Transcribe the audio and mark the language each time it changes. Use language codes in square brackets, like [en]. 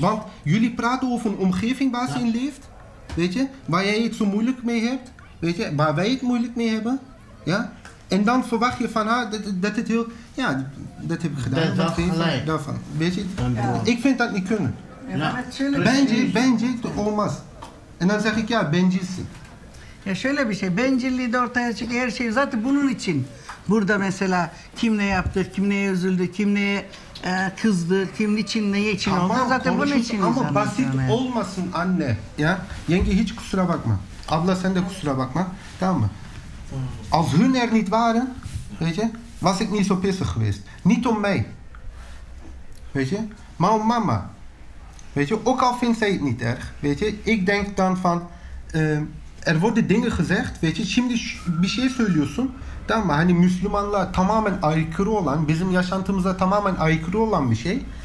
[nl] Want jullie praten over een omgeving waar ze in leeft, weet je, waar jij het zo moeilijk mee hebt. Weet je, waar wij het moeilijk mee hebben, ja? En dan verwacht je van haar dat het heel... Ja, dat heb ik gedaan. Dat is gelijk. Daarvan. Weet je, ik vind dat niet kunnen. Ja. [tr] Bence, de olmaz. [nl] En dan zeg ik, ja, bencilsin. [tr] Ya şöyle bir şey, bencilliği de ortaya çıkıyor, her şey zaten bunun için. Burada mesela kim ne yaptı, kim neye üzüldü, kim neye kızdı, kim için neye için tamam, oldu. Zaten bunun için. Ama basit yani. Olmasın anne, ya? Yenge hiç kusura bakma. Abla sen de kusura bakma. Tamam mı? [nl] Als hun er niet waren, weet je, was ik niet zo pissig geweest. Niet om mij. Weet je? Maar om mama. Weet je? Ook al vindt zij het niet erg. Weet je? Ik denk dan van... er worden dingen gezegd. Weet je? [tr] Şimdi bir şey söylüyorsun. Tamam mı? Hani Müslümanlığa tamamen aykırı olan, bizim yaşantımıza tamamen aykırı olan bir şey.